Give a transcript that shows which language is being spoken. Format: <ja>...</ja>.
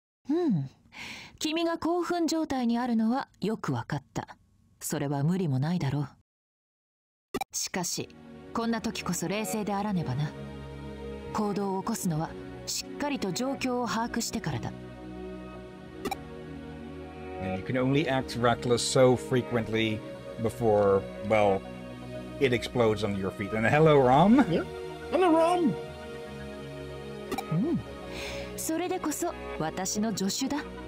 <ja>うん、君が興奮状態にあるのはよく分かった。それは無理もないだろう。しかしこんな時こそ冷静であらねばな。行動を起こすのはしっかりと状況を把握してからだ。</ja> <en>You can only act reckless so frequently before, well, it explodes on your feet. And hello, Rom. Yeah. Hello, Rom.</en> <ja>それでこそ私の助手だ。</ja>